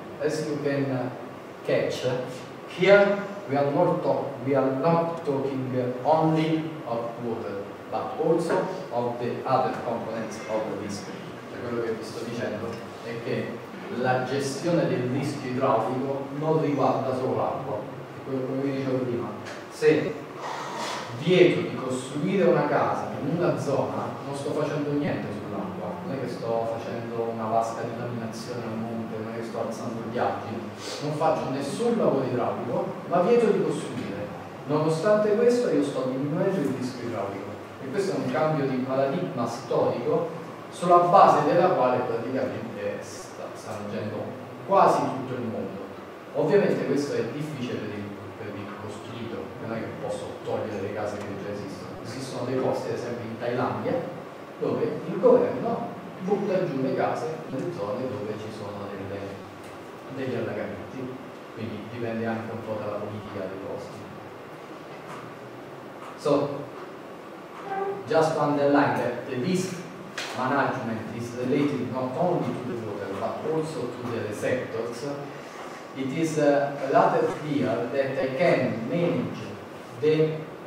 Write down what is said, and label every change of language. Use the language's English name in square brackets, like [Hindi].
[English] As you can catch, here we are not talking only of water, but also of the other components of the risk. [Italian] Cioè quello che vi sto dicendo è che la gestione del rischio idraulico non riguarda solo l'acqua. È quello che vi dicevo prima. Se vieto di costruire una casa in una zona, non sto facendo niente sull'acqua. Non è che sto facendo una vasca di laminazione a monte, non è che sto alzando gli archi. Non faccio nessun lavoro idraulico, ma vieto di costruire. Nonostante questo, io sto diminuendo il rischio idraulico. E questo è un cambio di paradigma storico sulla base della quale praticamente sta sorgendo quasi tutto il mondo. Ovviamente questo è difficile per il costruito, non è che posso togliere le case che già esistono. Esistono dei posti, ad esempio in Thailandia, dove il governo butta giù le case nelle zone dove ci sono degli allagamenti. Quindi dipende anche un po' dalla politica dei posti. [English] So, just to underline that the risk management is related not only to the water but also to the receptors, it is rather clear that I can manage the